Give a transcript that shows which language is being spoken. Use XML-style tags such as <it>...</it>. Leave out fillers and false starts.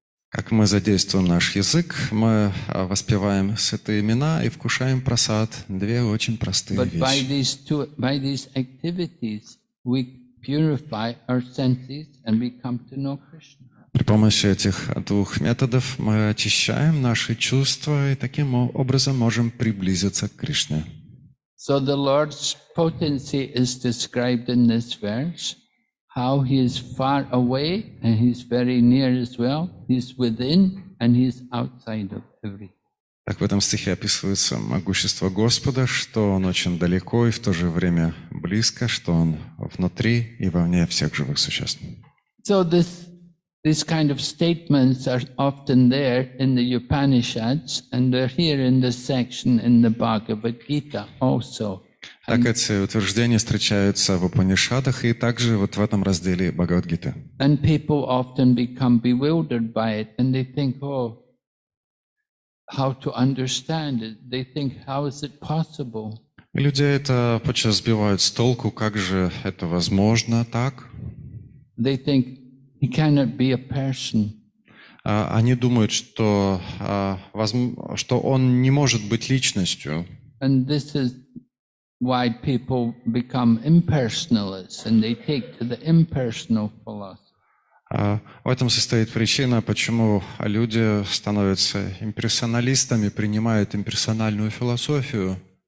<ru>Как мы задействуем наш язык, мы воспеваем святые имена и вкушаем прасад. Две очень простые вещи.</ru> <en>But by these activities we purify our senses and we come to know Krishna.</en> <ru>При помощи этих двух методов мы очищаем наши чувства и таким образом можем приблизиться к Кришне.</ru> <en>So the Lord's potency is described in this verse, how he is far away and he's very near as well, he's within and he's outside of everything.</en> <ru>Так в этом стихе описывается могущество Господа, что он очень далеко и в то же время близко, что он внутри и вовне всех живых существ.</ru> <en>So these kind of statements are often there in the Upanishads and they're here in this section in the Bhagavad Gita also.</en> <ru>Так эти утверждения встречаются в Упанишадах и также вот в этом разделе Бхагавад-гиты.</ru> <en>And people often become bewildered by it and they think, oh, how to understand it? They think, how is it possible?</en> <ru>И люди это почти сбивают с толку, как же это возможно так?</ru> <en>They think, he cannot be a person.</en> <ru>Они думают, что, что он не может быть личностью.</ru> <en>And this is why people become impersonalists and they take to the impersonal philosophy.</en> <ru>В этом состоит причина, почему люди становятся имперсоналистами, принимают имперсональную философию.</ru>